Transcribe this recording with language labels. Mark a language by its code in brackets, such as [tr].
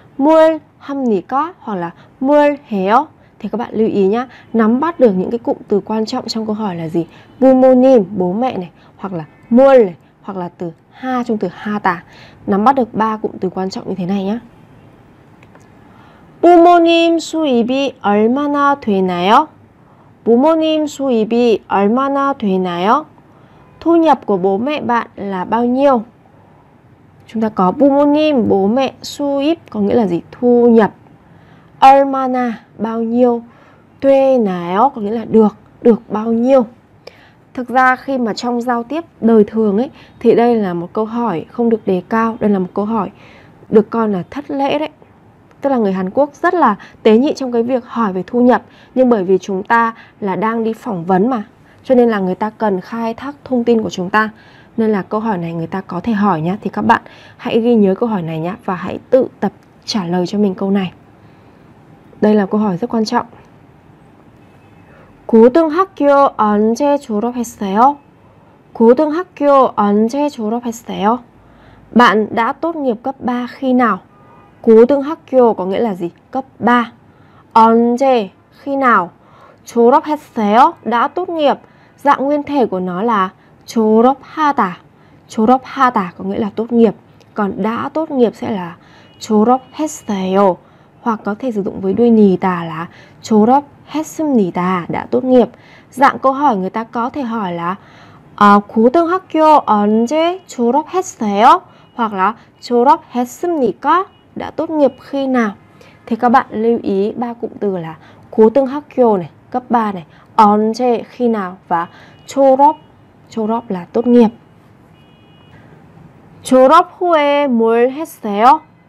[ko] 뭘 합니까? [vi] Hoặc là [ko] 뭘 해요? [vi] Thì các bạn lưu ý nhá, nắm bắt được những cái cụm từ quan trọng trong câu hỏi là gì? 부모님 bố mẹ này, hoặc là 뭘 này, hoặc là từ 하 trong từ 하다. Nắm bắt được 3 cụm từ quan trọng như thế này nhá. [ko] 부모님 수입이 얼마나 되나요? 부모님 수입이 얼마나 되나요? [vi] Thu nhập của bố mẹ bạn là bao nhiêu? Chúng ta có 부모님 bố mẹ, 수입 có nghĩa là gì? Thu nhập. 얼마나 bao nhiêu? 되나요 có nghĩa là được, được bao nhiêu. Thực ra khi mà trong giao tiếp đời thường ấy, thì đây là một câu hỏi không được đề cao, đây là một câu hỏi được coi là thất lễ đấy. Tức là người Hàn Quốc rất là tế nhị trong cái việc hỏi về thu nhập. Nhưng bởi vì chúng ta là đang đi phỏng vấn mà, cho nên là người ta cần khai thác thông tin của chúng ta. Nên là câu hỏi này người ta có thể hỏi nhá. Thì các bạn hãy ghi nhớ câu hỏi này nhá, và hãy tự tập trả lời cho mình câu này. Đây là câu hỏi rất quan trọng. [ko] 고등학교 언제 졸업했어요? 고등학교 언제 졸업했어요? [vi] Bạn đã tốt nghiệp cấp 3 khi nào? 고등학교 có nghĩa là gì? Cấp 3. [ko] 언제, [vi] khi nào? [ko] 졸업했어요, [vi] đã tốt nghiệp. Dạng nguyên thể của nó là 졸업하다. 졸업하다 có nghĩa là tốt nghiệp. Còn đã tốt nghiệp sẽ là 졸업했어요. Hoặc có thể sử dụng với đuôi 니다 là 졸업했습니다, đã tốt nghiệp. Dạng câu hỏi người ta có thể hỏi là [ko] 고등학교 언제 졸업했어요? [vi] Hoặc là 졸업했습니까? Đã tốt nghiệp khi nào? Thì các bạn lưu ý ba cụm từ là 고등학교 này, cấp 3 này, 언제, khi nào, và 졸업, 졸업 là tốt nghiệp. [ko] 졸업 후에 뭘 했어요?